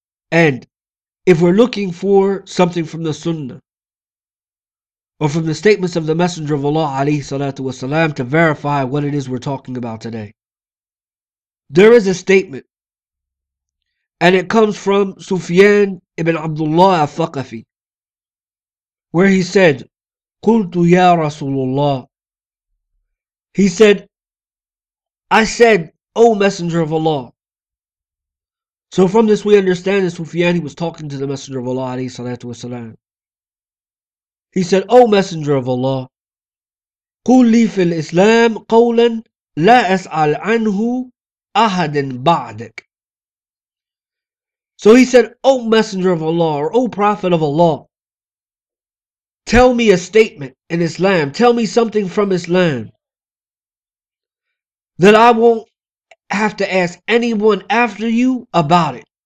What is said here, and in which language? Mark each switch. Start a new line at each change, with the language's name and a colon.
English: And if we're looking for something from the Sunnah, or from the statements of the Messenger of Allah alayhi salatu wasalam, to verify what it is we're talking about today, there is a statement, and it comes from Sufyan ibn Abdullah al-Thaqafi, where he said,
Arabic: قُلْتُ يَا رَسُولُ اللَّهِ.
English: He said, I said, O Messenger of Allah. So from this we understand that Sufyan, he was talking to the Messenger of Allah alayhi salatu wasalam. He said, O Messenger of Allah,
Arabic: قُلْ لِي فِي الْإِسْلَامِ قَوْلًا لَا أَسْعَلْ عَنْهُ أَحَدٍ بَعْدِكَ.
English: So he said, O Messenger of Allah, or O Prophet of Allah, tell me a statement in Islam, tell me something from Islam, that I won't have to ask anyone after you about it.